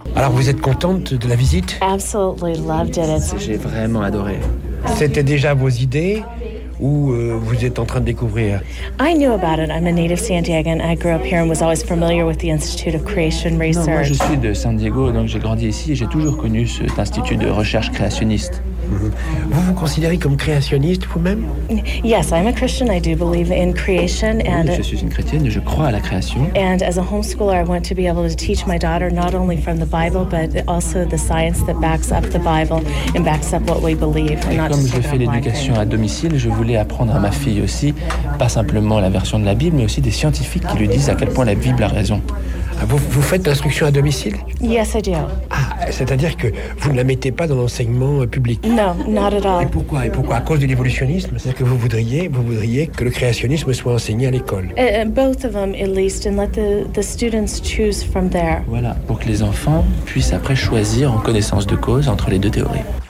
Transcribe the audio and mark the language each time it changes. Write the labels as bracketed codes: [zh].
[fr] Vous êtes contente de la visite? [en] Absolutely loved it. [fr] J'ai vraiment adoré. C'était déjà vos idées ou vous êtes en train de découvrir? [en] I knew about it. I'm a native San Diegan. I grew up here and was always familiar with the Institute of Creation Research. [fr] Non, moi je suis de San Diego, donc j'ai grandi ici et j'ai toujours connu cet institut de recherche créationniste. Vous vous considérez comme créationniste vous-même? [en] Yes, I'm a Christian. I do believe in creation. And [fr] oui, je suis une chrétienne. Je crois à la création. [en] And as a homeschooler, I want to be able to teach my daughter not only from the Bible, but also the science that backs up the Bible and backs up what we believe. [fr] Et [en] not [fr] comme je fais l'éducation à domicile, je voulais apprendre à ma fille aussi pas simplement la version de la Bible, mais aussi des scientifiques qui lui disent à quel point la Bible a raison. Vous faites l'instruction à domicile? [en] Yes, I do. [fr] Ah, c'est-à-dire que vous ne la mettez pas dans l'enseignement public? [en] No, not at all. [fr] Et pourquoi? Et pourquoi? À cause de l'évolutionnisme? C'est-à-dire que vous voudriez que le créationnisme soit enseigné à l'école? [en] Both of them, at least, and let the students choose from there. [fr] Voilà, pour que les enfants puissent après choisir en connaissance de cause entre les deux théories.